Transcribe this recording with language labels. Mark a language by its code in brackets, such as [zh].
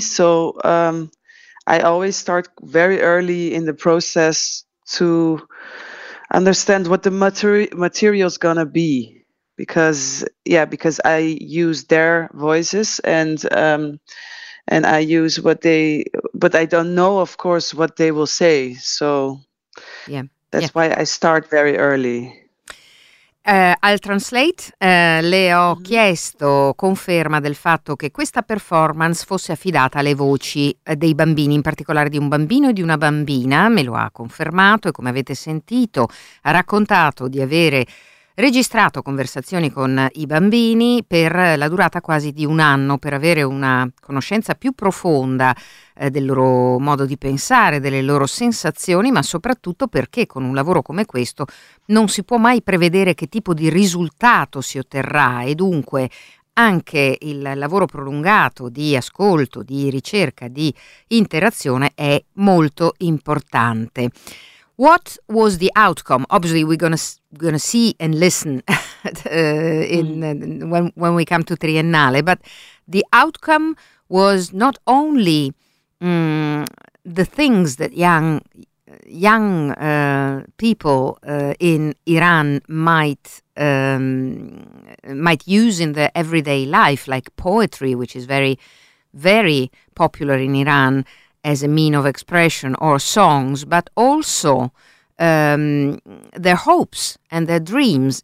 [en] So I always start very early in the process to understand what the material is gonna be, because I use their voices and I use what they, but I don't know, of course, what they will say. So yeah, that's why I start very early. [it] Al Translate le ho chiesto conferma del fatto che questa performance fosse affidata alle voci dei bambini, in particolare di un bambino e di una bambina, me lo ha confermato e come avete sentito ha raccontato di avere registrato conversazioni con i bambini per la durata quasi di un anno, per avere una conoscenza più profonda del loro modo di pensare, delle loro sensazioni, ma soprattutto perché con un lavoro come questo non si può mai prevedere che tipo di risultato si otterrà e dunque anche il lavoro prolungato di ascolto, di ricerca, di interazione è molto importante. [en] What was the outcome? Obviously, we're gonna see and listen when we come to Triennale. But the outcome was not only the things that young people in Iran might use in their everyday life, like poetry, which is very, very popular in Iran as a mean of expression, or songs, but also their hopes and their dreams.